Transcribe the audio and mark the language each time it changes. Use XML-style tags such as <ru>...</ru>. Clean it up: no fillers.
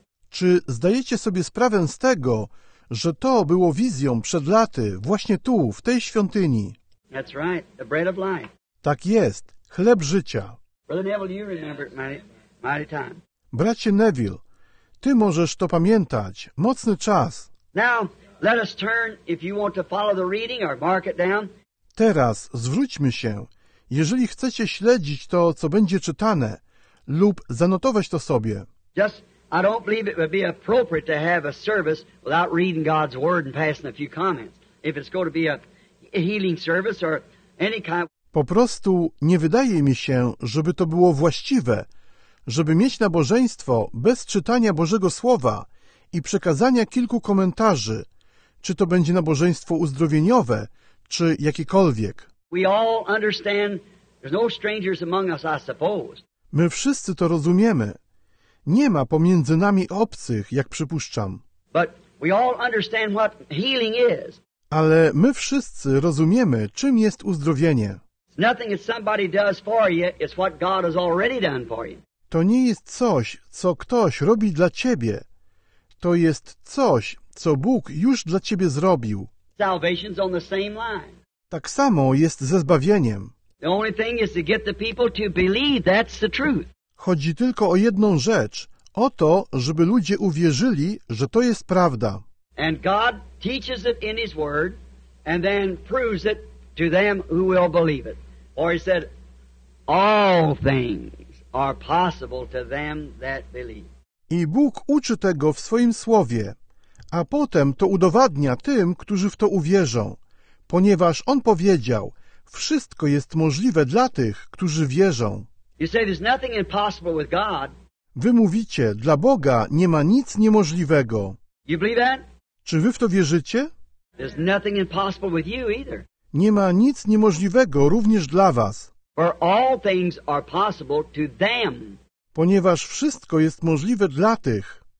<pl>Czy zdajecie sobie sprawę z tego, że to było wizją przed laty, właśnie tu, w tej świątyni?</pl> <en>That's right, the bread of life.</en> <pl>Tak jest, chleb życia.</pl> <en>Brother Neville, you remember it mighty time.</en> <pl>Bracie Neville, ty możesz to pamiętać, mocny czas.</pl> <en>Now, let us turn, if you want to follow the reading or mark it down.</en> <pl>Teraz zwróćmy się. Jeżeli chcecie śledzić to, co będzie czytane, lub zanotować to sobie.</pl> <en>Just, I don't believe it would be appropriate to have a service without reading God's word and passing a few comments. If it's going to be a healing service or any kind.</en> <pl>Po prostu nie wydaje mi się, żeby to było właściwe, żeby mieć nabożeństwo bez czytania Bożego Słowa i przekazania kilku komentarzy, czy to będzie nabożeństwo uzdrowieniowe, czy jakiekolwiek.</pl> <en>We all understand there's no strangers among us, I suppose.</en> <pl>My wszyscy to rozumiemy. Nie ma pomiędzy nami obcych, jak przypuszczam.</pl> <en>But we all understand what healing is.</en> <pl>Ale my wszyscy rozumiemy, czym jest uzdrowienie.</pl> <en>Nothing that somebody does for you, it's what God has already done for you.</en> <pl>To nie jest coś, co ktoś robi dla ciebie. To jest coś, co Bóg już dla ciebie zrobił.</pl> <en>Salvation's on the same line.</en> <pl>Tak samo jest ze zbawieniem.</pl> <en>The only thing is to get the people to believe that's the truth.</en> <pl>Chodzi tylko o jedną rzecz, o to, żeby ludzie uwierzyli, że to jest prawda.</pl> <en>And God teaches it in his word and then proves it to them who will believe it. Or he said, all things are possible to them that believe.</en> <pl>I Bóg uczy tego w swoim słowie, a potem to udowadnia tym, którzy w to uwierzą, ponieważ On powiedział, wszystko jest możliwe dla tych, którzy wierzą.</pl> <en>You say there's nothing impossible with God.</en> <pl>Wy mówicie, dla Boga nie ma nic niemożliwego.</pl> <en>You believe that?</en> <pl>Czy wy w to wierzycie?</pl> <en>There's nothing impossible with you either.</en> <pl>Nie ma nic niemożliwego również dla was.</pl> <en>For all things are possible to them.</en> <pl>Ponieważ wszystko jest możliwe dla tych.</pl>